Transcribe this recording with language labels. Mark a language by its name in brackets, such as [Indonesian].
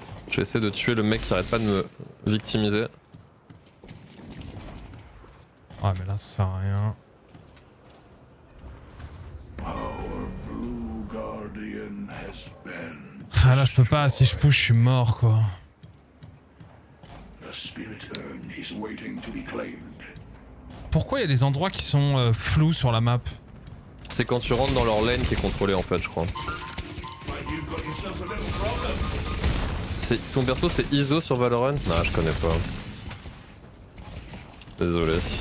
[French] Je vais essayer de tuer le mec qui arrête pas de me victimiser. Ah, mais là ça sert à rien. [English] Our blue guardian has been destroyed. [French] Ah là, je peux pas, si je push, je suis mort quoi. [English] The spirit urn is waiting to be claimed. [French] Pourquoi il y a des endroits qui sont flous sur la map? C'est quand tu rentres dans leur lane qui est contrôlé en fait, je crois. C'est, ton perso c'est Iso sur Valorant? Non, je connais pas. Désolé.